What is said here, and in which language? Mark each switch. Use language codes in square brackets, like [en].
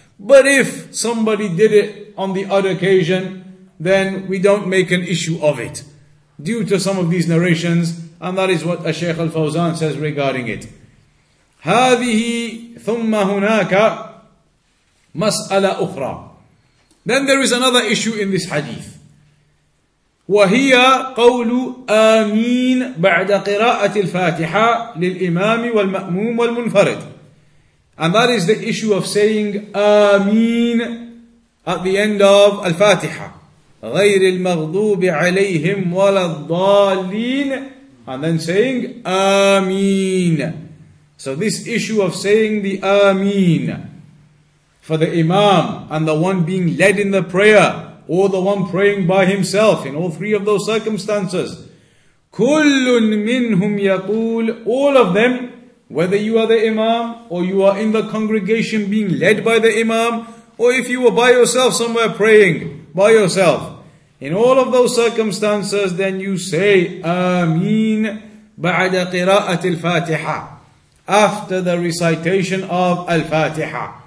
[en] But if somebody did it on the odd occasion, then we don't make an issue of it due to some of these narrations, and that is what Shaykh Al-Fawzan says regarding it. [ar] هَذِهِ ثُمَّ هُنَاكَ مَسْأَلَ أُخْرَى. [en] Then there is another issue in this hadith. [ar] وهي قول آمين بعد قراءة الفاتحة للإمام والمأموم والمنفرد. [en] And that is the issue of saying آمين at the end of الفاتحة. [ar] غير المغضوب عليهم ولا الضالين. [en] And then saying آمين. So this issue of saying the آمين for the Imam and the one being led in the prayer, or the one praying by himself, in all three of those circumstances. كُلٌّ مِنْهُمْ يَقُولُ, all of them, whether you are the Imam, or you are in the congregation being led by the Imam, or if you were by yourself somewhere praying by yourself, in all of those circumstances, then you say آمين بعد قراءة الفاتحة, after the recitation of الفاتحة.